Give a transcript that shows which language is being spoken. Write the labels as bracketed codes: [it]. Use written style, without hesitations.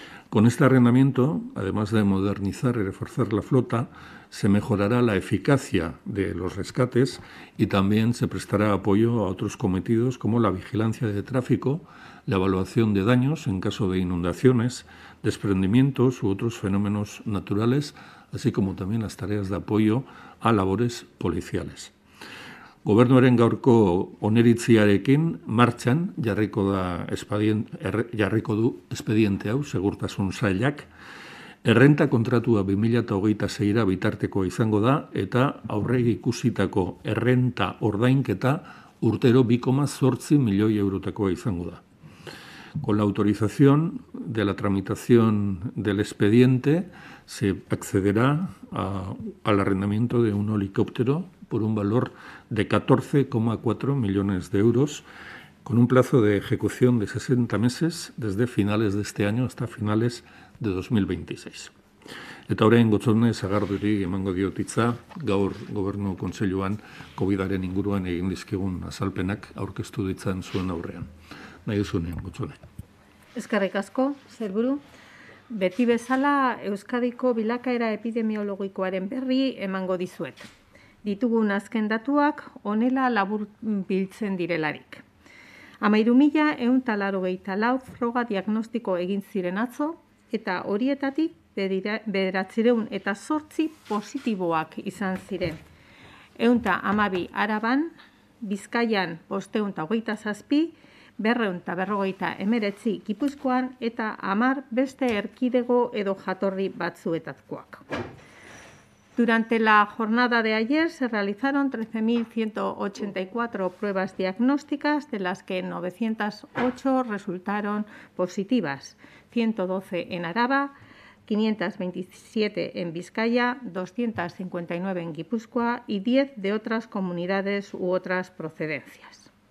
[es] Con este arrendamiento, además de modernizar y reforzar la flota, se mejorará la eficacia de los rescates y también se prestará apoyo a otros cometidos como la vigilancia de tráfico, la evaluación de daños en caso de inundaciones, desprendimientos u otros fenómenos naturales, así como también las tareas de apoyo a labores policiales. [eu] Gobernuaren gaurko oneritziarekin martxan jarriko du espediente hau segurtasun sailak. Errenta kontratua 2026 bitartekoa izango da eta aurregi ikusitako errenta ordainketa urtero 2,8 milioi eurotakoa izango da. [es] Con la autorización de la tramitación del expediente se accederá al arrendamiento de un helicóptero por un valor de 14,4 millones de euros, con un plazo de ejecución de 60 meses desde finales de este año hasta finales de 2026. [eu] Eta orain gotzone sagarduri emango diot hitza, gaur gobernu kontseiluan COVID-aren inguruan egin dizkigun azalpenak aurkeztu ditzan zuen aurrean. Nahi duzunean, gotzone. Eskerrik asko, zerburu. Beti bezala, Euskadiko bilakaera epidemiologikoaren berri emango dizuet. Ditugun azken datuak honela labur biltzen direlarik. 13.184 froga diagnostiko egin ziren atzo, eta horietatik 908 positiboak izan ziren. 112 Araban, Bizkaian 527, 249 Gipuzkoan, eta 10 beste erkidego edo jatorri batzuetatkoak. [es] Durante la jornada de ayer se realizaron 13.184 pruebas diagnósticas, de las que 908 resultaron positivas, 112 en Araba, 527 en Vizcaya, 259 en Gipuzkoa y 10 de otras comunidades u otras procedencias.